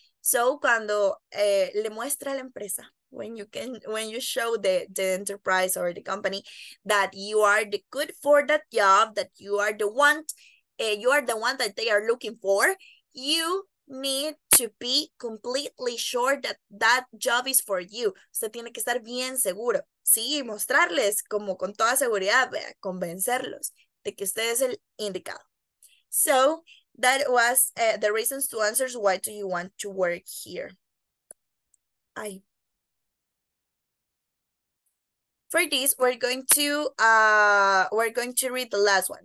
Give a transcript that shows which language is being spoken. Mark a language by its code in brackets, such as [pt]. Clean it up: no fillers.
[en] So [es] cuando le muestra a la empresa, [en] when you show the enterprise or the company that you are the good for that job, that you are the one, you are the one that they are looking for, you need to be completely sure that that job is for you. [es] Usted tiene que estar bien seguro, ¿sí? Y mostrarles como con toda seguridad, vea, convencerlos de que usted es el indicado. [en] So, that was the reasons to answers why do you want to work here. Ay. For this, we're going to read the last one.